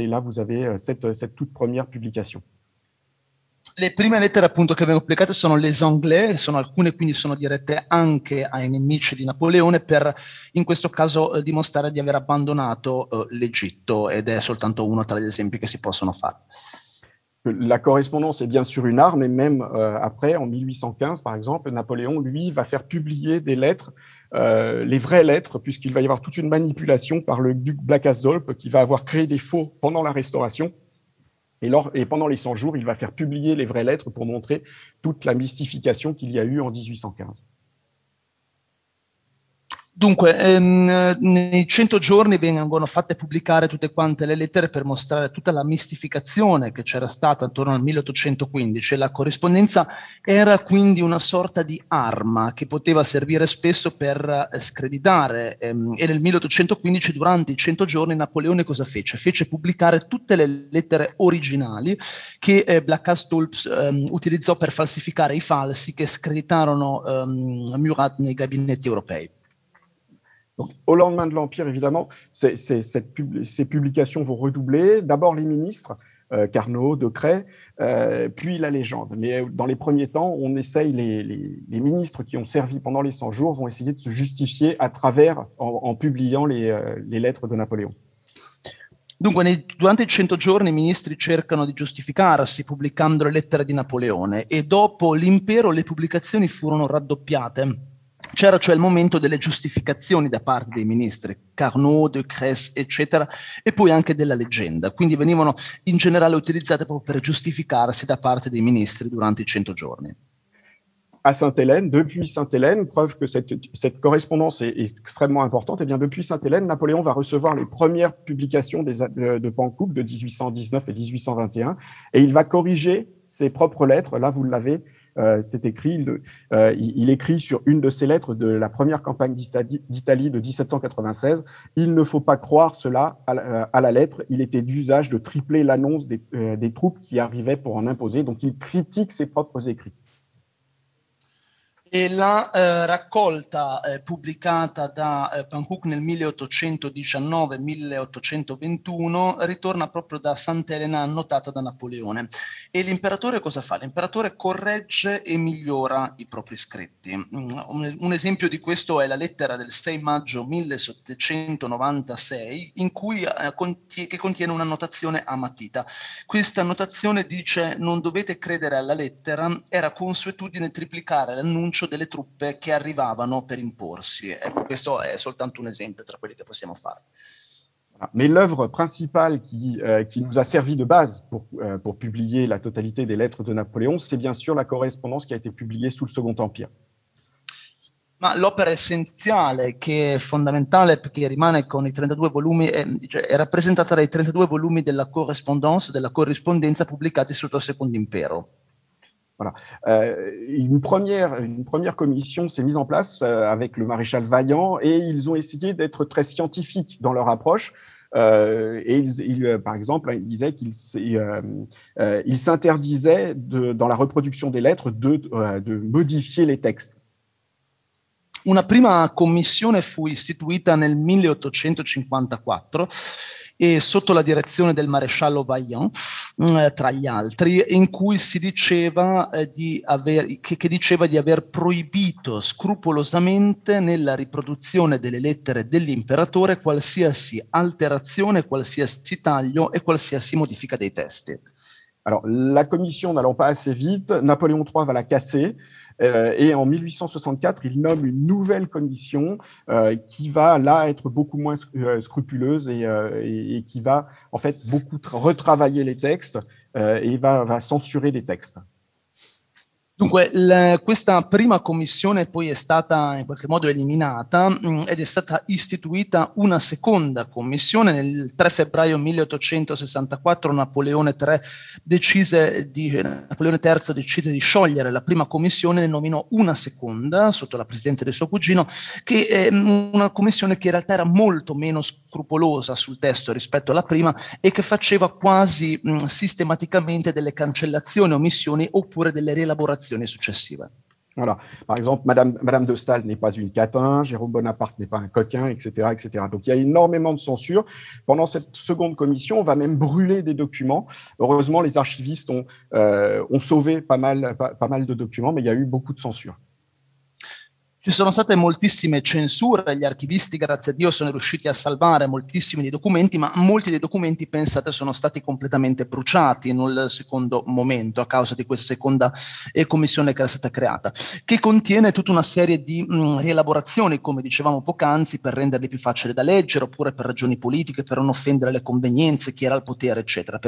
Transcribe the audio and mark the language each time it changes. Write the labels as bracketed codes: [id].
[fr] Et là, vous avez cette toute première publication. [it] Le prime lettere appunto che abbiamo pubblicato sono [fr] les Anglais, [it] sono alcune quindi sono dirette anche ai nemici di Napoleone, per in questo caso dimostrare di aver abbandonato l'Egitto, ed è soltanto uno tra gli esempi che si possono fare. [fr] La correspondance è bien sûr une arme, e même après, en 1815 par exemple, Napoléon lui va faire publier des lettres, les vraies lettres, puisqu'il va y avoir toute une manipulation par le duc Blacas-d'Olpe, qui va avoir créé des faux pendant la Restauration. Et pendant les 100 jours, il va faire publier les vraies lettres pour montrer toute la mystification qu'il y a eu en 1815. [it] Dunque, nei 100 giorni vengono fatte pubblicare tutte quante le lettere per mostrare tutta la mistificazione che c'era stata attorno al 1815. La corrispondenza era quindi una sorta di arma che poteva servire spesso per screditare. E nel 1815, durante i 100 giorni, Napoleone cosa fece? Fece pubblicare tutte le lettere originali che Blacas-d'Olpe utilizzò per falsificare i falsi che screditarono Murat nei gabinetti europei. [fr] Au lendemain de l'Empire, évidemment, ces publications vont redoubler. D'abord les ministres, Carnot, Decret, puis la légende. Mais dans les premiers temps, on essaye, les ministres qui ont servi pendant les 100 jours vont essayer de se justifier à travers, en publiant les lettres de Napoléon. [it] Dunque, durante i 100 giorni i ministri cercano di giustificarsi pubblicando le lettere di Napoleone, e dopo l'Impero le pubblicazioni furono raddoppiate. C'era cioè il momento delle giustificazioni da parte dei ministri, Carnot, Decrès, eccetera, e poi anche della leggenda. Quindi venivano in generale utilizzate proprio per giustificarsi da parte dei ministri durante i 100 giorni. [fr] À Sainte-Hélène, depuis Sainte-Hélène, preuve que cette correspondance est extrêmement importante, et bien depuis Sainte-Hélène, Napoléon va recevoir les premières publications de Panckoucke de 1819 et 1821, et il va corriger ses propres lettres. Là, vous l'avez, c'est écrit, il écrit sur une de ses lettres de la première campagne d'Italie de 1796, « Il ne faut pas croire cela à la lettre, il était d'usage de tripler l'annonce des troupes qui arrivaient pour en imposer », donc il critique ses propres écrits. [it] E la raccolta pubblicata da Panckoucke nel 1819-1821 ritorna proprio da Sant'Elena, annotata da Napoleone. E l'imperatore cosa fa? L'imperatore corregge e migliora i propri scritti. Un esempio di questo è la lettera del 6 maggio 1796, che contiene un'annotazione a matita. Questa annotazione dice: non dovete credere alla lettera, era consuetudine triplicare l'annuncio delle truppe che arrivavano per imporsi. Ecco, questo è soltanto un esempio tra quelli che possiamo fare. [fr] Ma l'œuvre principale qui nous a servi de base pour publier la totalité des lettres de Napoléon, c'est bien sûr la correspondance qui a été publiée sous le Second Empire. [it] Ma l'opera essenziale, che è fondamentale, perché rimane con i 32 volumi, è rappresentata dai 32 volumi della correspondance, pubblicati sotto il Secondo Impero. [fr] Voilà. Une première commission s'est mise en place avec le maréchal Vaillant, et ils ont essayé d'être très scientifiques dans leur approche. Par exemple, ils s'interdisaient, dans la reproduction des lettres, de modifier les textes. [it] Una prima commissione fu istituita nel 1854 e sotto la direzione del maresciallo Vaillant, tra gli altri, in cui si diceva di aver proibito scrupolosamente nella riproduzione delle lettere dell'imperatore qualsiasi alterazione, qualsiasi taglio e qualsiasi modifica dei testi. [fr] Alors, la commission n'allant pas assez vite, Napoléon III va la casser. Et en 1864, il nomme une nouvelle commission qui va là être beaucoup moins scrupuleuse et qui va en fait beaucoup retravailler les textes et va censurer les textes. [it] Dunque, questa prima commissione poi è stata in qualche modo eliminata ed è stata istituita una seconda commissione. Nel 3 febbraio 1864 Napoleone III decise di sciogliere la prima commissione e nominò una seconda sotto la presidenza del suo cugino, che è una commissione che in realtà era molto meno scrupolosa sul testo rispetto alla prima e che faceva quasi sistematicamente delle cancellazioni, omissioni oppure delle rielaborazioni. Successive. [fr] Voilà. Par exemple, Madame de Staël n'est pas une catin, Jérôme Bonaparte n'est pas un coquin, etc., etc. Donc il y a énormément de censure. Pendant cette seconde commission, on va même brûler des documents. Heureusement, les archivistes ont sauvé pas mal de documents, mais il y a eu beaucoup de censure. [it] Ci sono state moltissime censure, gli archivisti grazie a Dio sono riusciti a salvare moltissimi dei documenti, ma molti dei documenti, pensate, sono stati completamente bruciati in un secondo momento a causa di questa seconda commissione che era stata creata, che contiene tutta una serie di rielaborazioni, come dicevamo poc'anzi, per renderli più facili da leggere, oppure per ragioni politiche, per non offendere le convenienze, chi era al potere, eccetera.